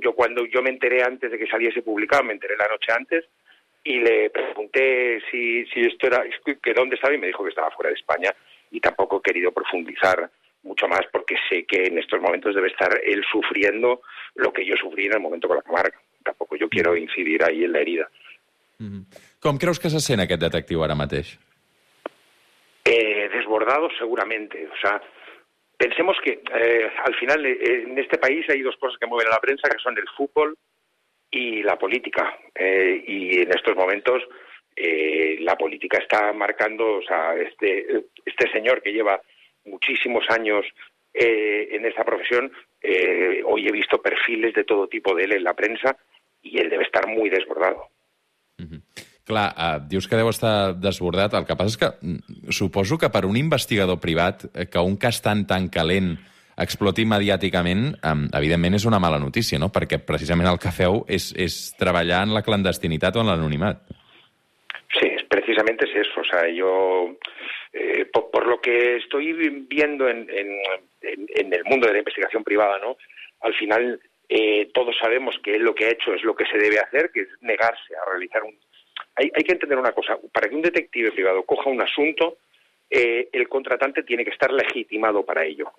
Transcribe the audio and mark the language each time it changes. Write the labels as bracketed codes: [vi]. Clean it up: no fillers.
[es] Yo me enteré antes de que saliese publicado, me enteré la noche antes, y le pregunté si esto era, que dónde estaba, y me dijo que estaba fuera de España, y tampoco he querido profundizar mucho más, porque sé que en estos momentos debe estar él sufriendo lo que yo sufrí en el momento con la Camarga. Tampoco yo quiero incidir ahí en la herida. [ca] ¿Com creus que se sent aquest detectiu ara mateix? [es] Desbordado, seguramente. O sea, pensemos que al final en este país hay dos cosas que mueven a la prensa, que son el fútbol y la política. Y en estos momentos la política está marcando, o sea, este señor que lleva muchísimos años en esta profesión, hoy he visto perfiles de todo tipo de él en la prensa y él debe estar muy desbordado. [ca] Clar, dius que deu estar desbordat. El que passa és que suposo que per un investigador privat que un cas tan calent exploti mediàticament, evidentment és una mala notícia, no? Perquè precisament el que feu és treballar en la clandestinitat o en l'anonimat. Sí, precisament és això. [es] O sea, yo, por lo que estoy viendo en el mundo de la investigación privada, ¿no? Al final todos sabemos que lo que ha hecho es lo que se debe hacer, que es negarse a realizar un... Hay que entender una cosa. Para que un detective privado coja un asunto, el contratante tiene que estar legitimado para ello.